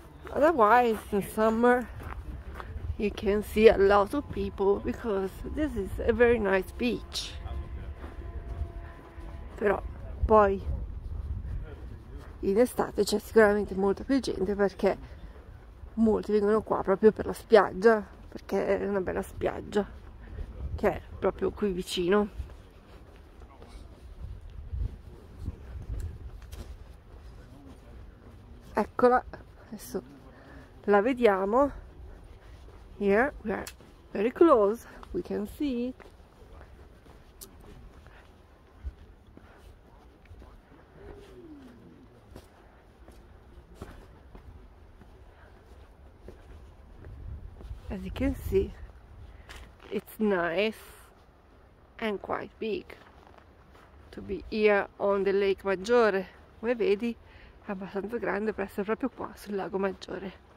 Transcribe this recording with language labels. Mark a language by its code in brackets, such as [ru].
[en] Otherwise, in summer, you can see a lot of people because this is a very nice beach. [it] Però poi in estate c'è sicuramente molta più gente perché molti vengono qua proprio per la spiaggia. Perché è una bella spiaggia che è proprio qui vicino. Eccola, adesso la vediamo. [en] Here we are very close, we can see. As you can see, it's nice and quite big to be here on the Lake Maggiore. [it] Come vedi, è abbastanza grande per essere proprio qua sul Lago Maggiore.